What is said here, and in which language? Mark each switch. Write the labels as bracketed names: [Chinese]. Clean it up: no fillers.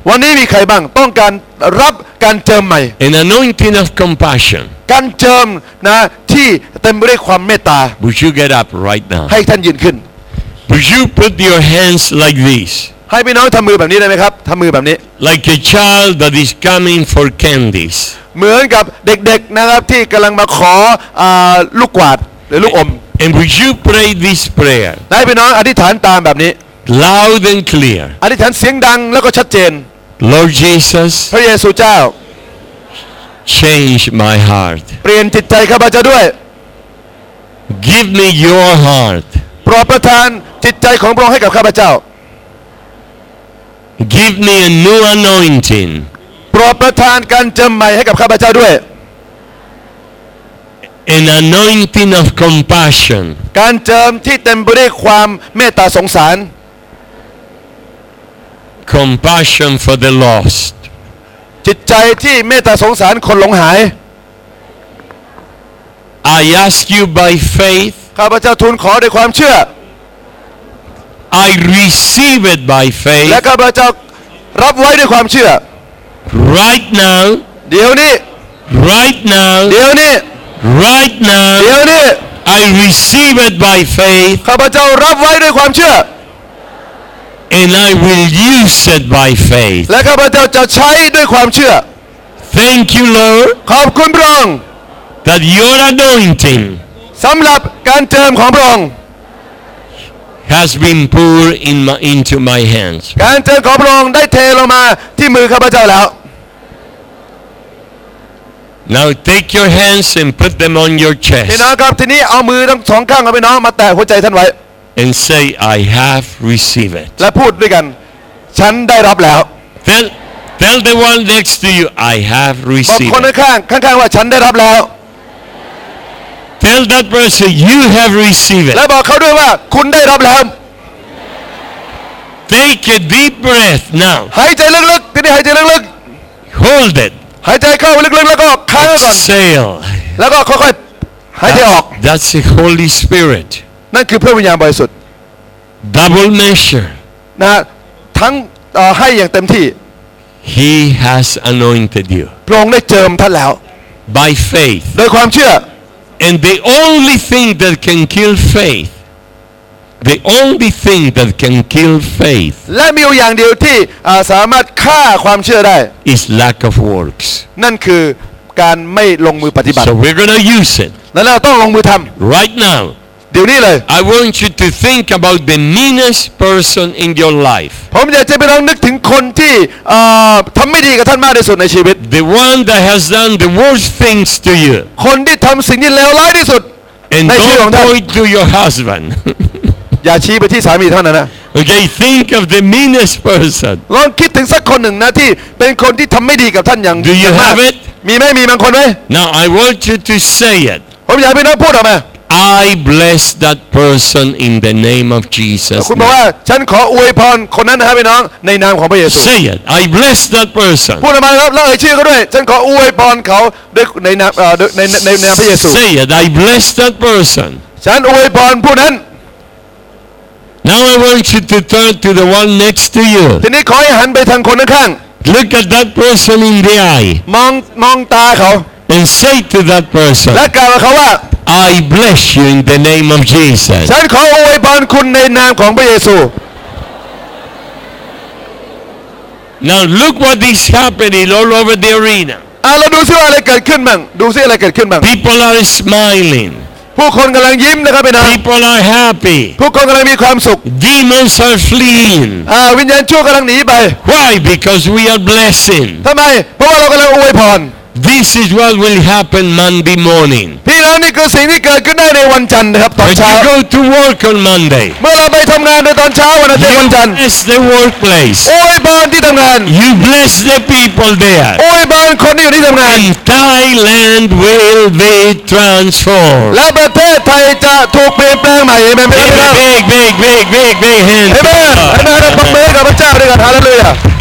[Thai] วันนี้มีใครบ้างต้องการรับการเจิมใหม่ [English] An anointing of compassion. [Thai] การเจิมนะที่เต็มไปด้วยความเมตตา [English] Would you get up right now? [Thai] ให้ท่านยืนขึ้น [English] Would you put your hands like this? [Thai] ให้พี่น้องทำมือแบบนี้ได้ไหมครับทำมือแบบนี้ [English] Like a child that is coming for candies. [Thai] เหมือนกับเด็กๆนะครับที่กำลังมาขอลูกกวาดลูกอม [English] And would you pray this prayer? [Thai] ได้พี่น้องอธิษฐานตามแบบนี้ [English] Loud and clear. [Thai] อธิษฐานเสียงดังแล้วก็ชัดเจน [English] Lord Jesus. [Thai] พระเยซูเจ้า [English] Change my heart. [Thai] เปลี่ยนจิตใจข้าพเจ้าด้วย [English] Give me your heart. [Thai] โปรดประทานจิตใจของพระองค์ให้กับข้าพเจ้า [English] Give me a new anointing. [Thai] โปรดประทานการเจิมใหม่ให้กับข้าพเจ้าด้วย [English] An anointing of compassion. [Thai] การเจิมที่เต็มไปด้วยความเมตตาสงสาร [English] Compassion for the lost. [Thai] จิตใจที่เมตตาสงสารคนหลงหาย [English] I ask you by faith. [Thai] ข้าพเจ้าทูลขอด้วยความเชื่อ [English] I receive it by faith. [Thai] และข้าพเจ้ารับไว้ด้วยความเชื่อ [English] Right now. [Thai] เดี๋ยวนี้ [English] Right now. [Thai] เดี๋ยวนี้ [English] Right now, [Thai] เดี๋ยวนี้ [English] I receive it by faith. [Thai] ข้าพเจ้ารับไว้ด้วยความเชื่อ [English] And I will use it by faith. [Thai] และข้าพเจ้าจะใช้ด้วยความเชื่อ [English] Thank you, Lord. [Thai] ขอบคุณพระองค์ [English] That your anointing, [Thai] สำหรับการเจิมของพระองค์ [English] has been poured into my hands. [Thai] การเจิมของพระองค์ได้เทลงมาที่มือข้าพเจ้าแล้ว [English] Now take your hands and put them on your chest. [Thai] พี่น้องครับทีนี้เอามือทั้งสองข้างของพี่น้องมาแตะหัวใจท่านไว้ [English] And say I have received it. [Thai] และพูดด้วยกันฉันได้รับแล้ว [English] Tell the one next to you I have received. [Thai] บอกคนข้างข้างว่าฉันได้รับแล้ว [English] Tell that person you have received. [Thai] และบอกเขาด้วยว่าคุณได้รับแล้ว [English] Take a deep breath now. [Thai] หายใจลึกๆทีนี้หายใจลึก [English] ๆ Hold it. [Thai] หายใจเข้าลึกๆแล้วก็ค้างก่อน [English] Exhale [Thai] แล้วก็ค่อยๆ ให้ได้ออก [English] That's the Holy Spirit [Thai] นั่นคือพระวิญญาณบริสุทธิ์ [English] Double measure [Thai] นะทั้งให้อย่างเต็มที่ [English] He has anointed you [Thai] พระองค์ได้เจิมท่านแล้ว [English] By faith [Thai] โดยความเชื่อ [English] And the only thing that can kill faithThe only thing that can kill faith. [Thai] และมีอย่างเดียวที่สามารถฆ่าความเชื่อได้ [English] is lack of works. [Thai] นั่นคือการไม่ลงมือปฏิบัติ [English] So we're gonna use it. [Thai] และเราต้องลงมือทำ [English] right now. [Thai] เดี๋ยวนี้เลย [English] I want you to think about the meanest person in your life. [Thai] ผมอยากจะไปลองนึกถึงคนที่ทำไม่ดีกับท่านมากที่สุดในชีวิต [English] The one that has done the worst things to you. [Thai] คนที่ทำสิ่งที่เลวร้ายที่สุดในชีวิตของท่าน [English] And don't point to your husband. [Thai] อย่าชี้ไปที่สามีเท่านั้นนะ [English] Okay think of the meanest person [Thai] ลองคิดถึงสักคนหนึ่งนะที่เป็นคนที่ทำไม่ดีกับท่านอย่าง [English] มาก Do you have it [Thai] มีไหมมีบางคนไหม [English] Now I want you to say it [Thai] ผมอยากให้น้องพูดออกมา [English] I bless that person in the name of Jesus [Thai] คุณบอกว่าฉันขออวยพรคนนั้นนะครับพี่น้องในนามของพระเยซู [English] Say it I bless that person [Thai] พูดออกมาแล้วเอ่ยชื่อเขาด้วยฉันขออวยพรเขาด้วยในนามในนามพระเยซู [English] Say it I bless that person [Thai] ฉันอวยพรผู้นั้น [English] Now I want you to turn to the one next to you. [Thai] ทีนี้ขอให้หันไปทางคนข้าง [English] ๆ Look at that person in the eye. [Thai] มองตาเขา [English] And say to that person. [Thai] และกล่าวกับเขาว่า [English] I bless you in the name of Jesus. [Thai] ฉันขออวยพรคุณในนามของพระเยซู [English] Now look what is happening all over the arena. [Thai] เราดูซิว่าอะไรเกิดขึ้นบ้างดูซิอะไรเกิดขึ้นบ้าง [English] People are smiling. [Thai] ผู้คนกำลังยิ้มนะครับพี่น้อง [English] People are happy [Thai] ผู้คนกำลังมีความสุข [English] Demons are fleeing [Thai] วิญญาณชั่วกำลังหนีไป [English] Why because we are blessing [Thai] ทำไมเพราะว่าเรากำลังอวยพร [English] This is what will happen Monday morning [Thai] พี่น้องนี่คือสิ่งที่เกิดขึ้นได้ในวันจันทร์นะครับตอนเช้า [English] When you go to work on Monday [Thai] เมื่อเราไปทำงานในตอนเช้าวันอาทิตย์วันจันทร์ [English] You bless the workplace [Thai] อวยพรที่ทำงาน [English] You bless the people there [Thai] อวยพรคนที่อยู่ที่ทำงาน [English] Thailand will be transformed [Thai] และประเทศไทยจะถูกเปลี่ยนแปลงใหม่เอเมนไหมครับ [English] Big hands [Thai] เอเมนและนั่นเป็นเมฆกับพระเจ้าด้วยกันฮาเลลูยา